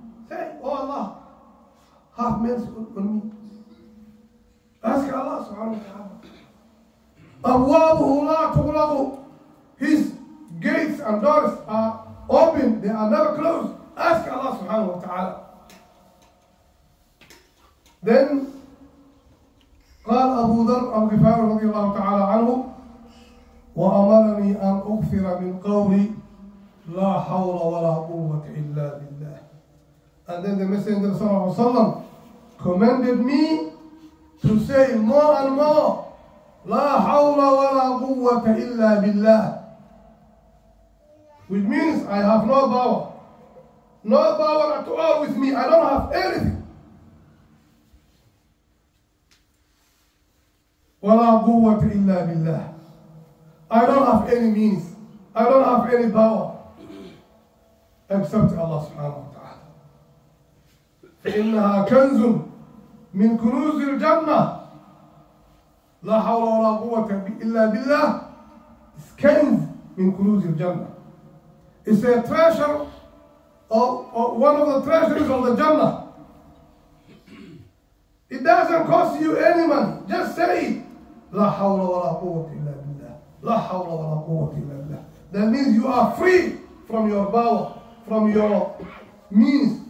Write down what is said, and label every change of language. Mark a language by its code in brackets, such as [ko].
[en] Say, Oh Allah, have mercy on me. Ask Allah subhanahu wa ta'ala. [ar] أبوابه لا تغلق. [en] His gates and doors are open. They are never closed. Ask Allah subhanahu wa ta'ala. Then, [ar] قال أبو ذر الغفاري رضي الله تعالى عنه وأمرني أن أكثر من قولي لا حول ولا قوة إلا بالله. [en] And then the messenger صلى الله عليه وسلم commanded me to say more and more [ar] لا حول ولا قوة إلا بالله. [en] Which means I have no power. No power at all with me. I don't have anything. [ar] ولا قوة إلا بالله. [en] I don't have any means. I don't have any power except Allah subhanahu wa ta'ala. [ar] فإنها كنز من كنوز الجنة. لا حول ولا قوة إلا بالله. [en] It's [ar] كنز من كنوز الجنة. [en] It's a treasure or one of the treasures of the Jannah. It doesn't cost you any money. Just say it. [ar] لا حول ولا قوة إلا بالله. لا حول ولا قوة إلا بالله. [en] That means you are free from your power, from your means.